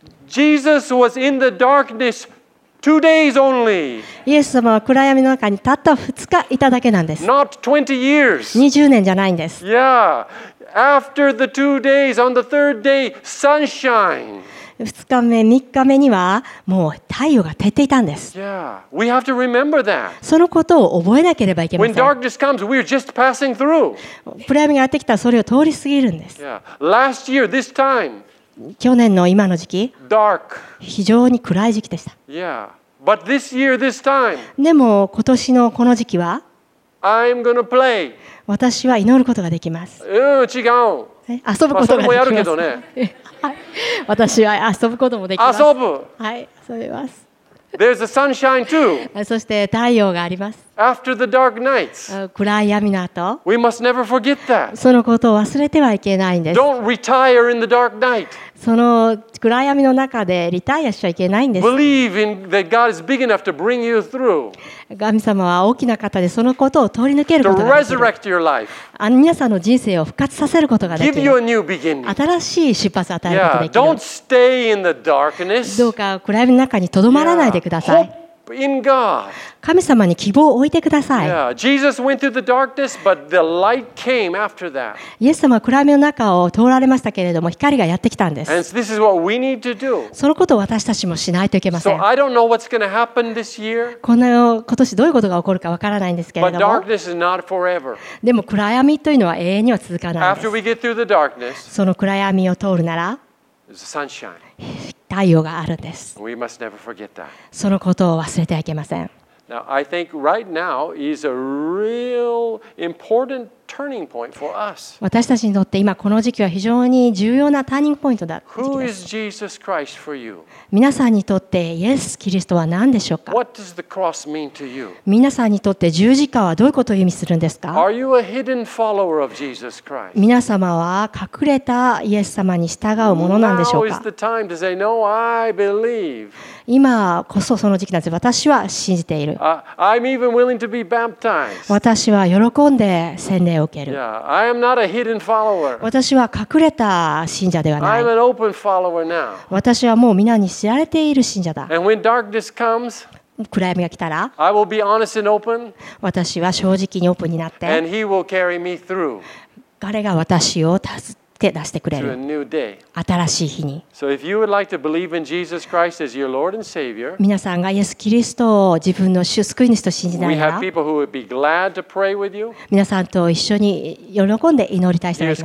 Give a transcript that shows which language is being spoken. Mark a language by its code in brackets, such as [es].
[en] Jesus was in the darkness two days only. [ja] イエス様は暗闇の中にたった2日いただけなんです。 [en] Not 20 years. [ja] 20年じゃないんです。 [en] Yeah. After the two days, on the third day, sunshine. [ja] 2日目、3日目にはもう太陽が照っていたんです。 [en] Yeah. We have to remember that. [ja] そのことを覚えなければいけません。 [en] When darkness comes, we are just passing through. [ja] 暗闇がやってきたらそれを通り過ぎるんです。 [en] Yeah. Last year, this time, [ja] 去年の今の時期、 [en] dark. [ja] 非常に暗い時期でした。 [en] Yeah. But this year, this time, [ja] でも今年のこの時期は、 [en] I'm gonna play. [ja] 私は祈ることができます。違う。遊ぶことができます。それもやるけどね。私は遊ぶこともできます。遊ぶ。はい、遊びます。 [en] There's a sunshine too. [ja] そして太陽があります。 [en] After the dark nights. [ja] 暗い闇の後。 [en] We must never forget that. [ja] そのことを忘れてはいけないんです。 [en] Don't retire in the dark night. [ja] その暗闇の中でリタイアしちゃいけないんです。 [en] Believe in that God is big enough to bring you through. [ja] 神様は大きな方でそのことを通り抜けることができる。 [en] To resurrect your life. [ja] 皆さんの人生を復活させることができる。 [en] Give you a new beginning. [ja] 新しい出発を与えることができる。 [en] Yeah. Don't stay in the darkness. [ja] どうか暗闇の中にとどまらないでください。 [en] Yeah. Hope in God. [ja] 神様に希望を置いてください。 [en] Yeah. Jesus went through the darkness, but the light came after that. [ja] イエス様は暗闇の中を通られましたけれども、光がやってきたんです。 [en] And this is what we need to do. [ja] そのことを私たちもしないといけません。 [en] So I don't know what's going to happen this year. [ja] この今年どういうことが起こるかわからないんですけれども。 [en] But darkness is not forever. [ja] でも暗闇というのは永遠には続かないんです。 [en] After we get through the darkness. [ja] その暗闇を通るなら。 [en] There's sunshine. [ja] 太陽があるんです。 [en] We must never forget that. [ja] そのことを忘れてはいけません。 [en] Now, I think right now is a real important turning point for us. [ja] 私たちにとって今この時期は非常に重要なターニングポイントだ。 [en] Who is Jesus Christ for you? [ja] 皆さんにとってイエス・キリストは何でしょうか? [en] What does the cross mean to you? [ja] 皆さんにとって十字架はどういうことを意味するんですか? [en] Are you a hidden follower of Jesus Christ? [ja] 皆様は隠れたイエス様に従うものなんでしょうか? [en] Now is the time to say, No, I believe. [ja] 今こそその時期なんです。私は信じている。 [en] I'm even willing to be baptized. [ja] 私は喜んで洗礼を受ける。 [en] Yeah, I am not a hidden follower. [ja] 私は隠れた信者ではない。 [en] I'm an open follower now. [ja] 私はもう皆に知られている信者だ。 [en] And when darkness comes, [ja] 暗闇が来たら、 [en] I will be honest and open. [ja] 私は正直にオープンになって、 [en] And he will carry me through. [ja] 彼が私を助け出してくれる。 [en] To a new day. [ja] 新しい日に。 [en] So if you would like to believe in Jesus Christ as your Lord and Savior, [ja] 皆さんがイエス・キリストを自分の主救い主と信じながら、 [en] We have people who would be glad to pray with you. [ja] 皆さんと一緒に喜んで祈りたい人がいます。